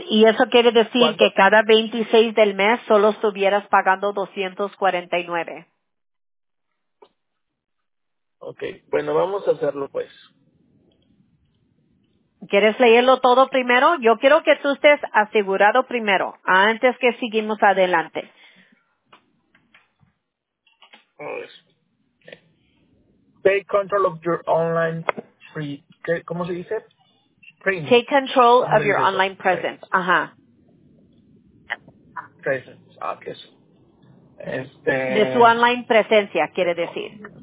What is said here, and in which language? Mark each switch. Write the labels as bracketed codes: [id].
[es] Y eso quiere decir que cada 26 del mes solo estuvieras pagando 249. Ok, bueno, vamos a hacerlo pues. ¿Quieres leerlo todo primero? Yo quiero que tú estés asegurado primero, antes que seguimos adelante. [en] Take control of your online free. [es] ¿Cómo se dice? [en] Print. Take control of your online presence. [es] Ajá. [en] Presence. [es] Ah, ¿qué es? De su online presencia, quiere decir.